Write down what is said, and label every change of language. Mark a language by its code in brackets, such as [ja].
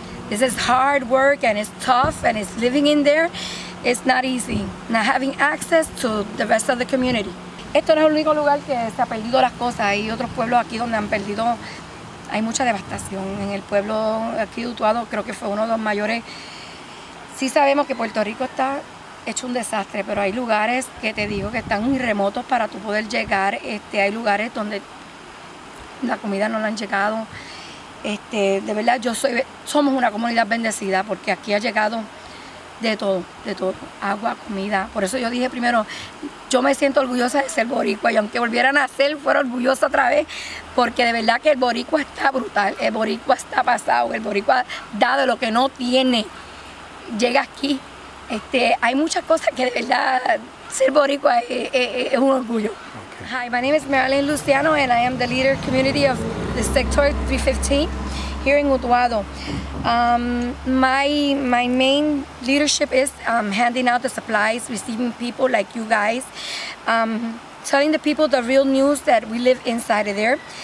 [en] This is hard work and it's tough and it's living in there. It's not easy. Not having access to the rest of the community. [es] Esto no es el único lugar que se ha perdido las cosas. Hay otros pueblos aquí donde han perdido. Hay mucha devastación. En el pueblo aquí de Utuado creo que fue uno de los mayores. Sí sabemos que Puerto Rico está hecho un desastre, pero hay lugares que te digo que están remotos para tú poder llegar. Hay lugares donde la comida no la han llegado. De verdad, somos una comunidad bendecida porque aquí ha llegado de todo, agua, comida. Por eso yo dije primero, yo me siento orgullosa de ser boricua y aunque volviera a nacer, fuera orgullosa otra vez, porque de verdad que el boricua está brutal, el boricua está pasado, el boricua da de lo que no tiene, llega aquí. Hay muchas cosas que de verdad, ser boricua es un orgullo. [en] Hi, my name is Marilyn Luciano and I am the leader community of the sector 315 here in Utuado. My main leadership is handing out the supplies, receiving people like you guys, telling the people the real news that we live inside of there.